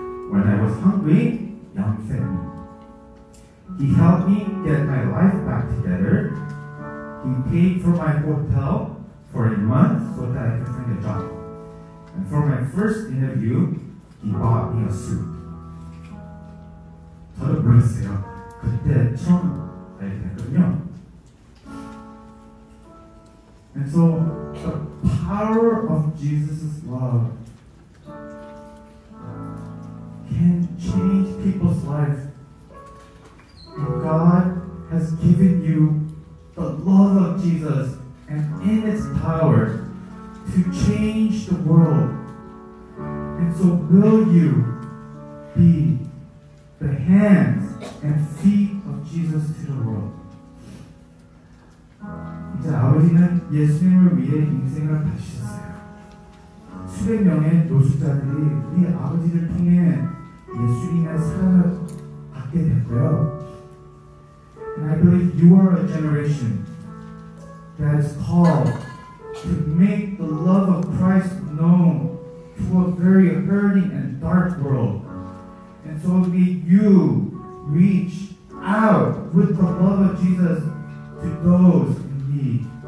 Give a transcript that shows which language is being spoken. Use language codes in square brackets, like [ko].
[en] When I was hungry, Young fed me. He helped me get my life back together. He paid for my hotel for a month so that I could find a job. And for my first interview, he bought me a suit. [ko] 저도 몰랐어요. 그때 처음 알게 됐거든요. [en] And so the power of Jesus' love can change people's lives. And God has given you the love of Jesus and in its power to change the world. And so will you be the hands and feet of Jesus to the world. [ko] 이제 아버지는 예수님을 위해 인생을 바치셨어요. 수백 명의 노숙자들이 우리 아버지를 통해 예수님의 사랑을 받게 됐고요. [en] And I believe you are a generation that is called to make the love of Christ known to a very hurting and dark world. And so may you reach out with the love of Jesus to those in need.